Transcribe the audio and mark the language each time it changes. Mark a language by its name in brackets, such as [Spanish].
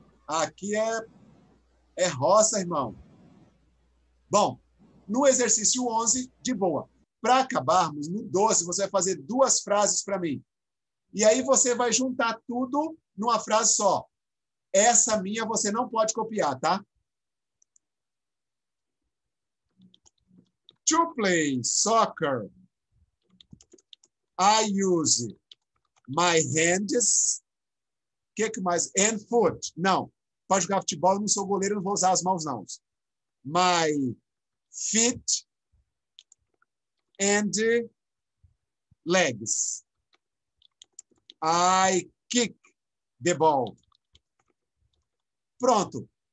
[Portuguese] Aqui é roça, irmão. Bom. No exercício 11, de boa. Para acabarmos, no 12, você vai fazer duas frases para mim. E aí você vai juntar tudo numa frase só. Essa minha você não pode copiar, tá? [English] To play soccer, I use my hands. [Portuguese] Que mais? [English] And foot. [Portuguese] Não. Para jogar futebol, eu não sou goleiro, não vou usar as mãos, não. [English] My feet and legs. I kick the ball. [Portuguese] Pronto.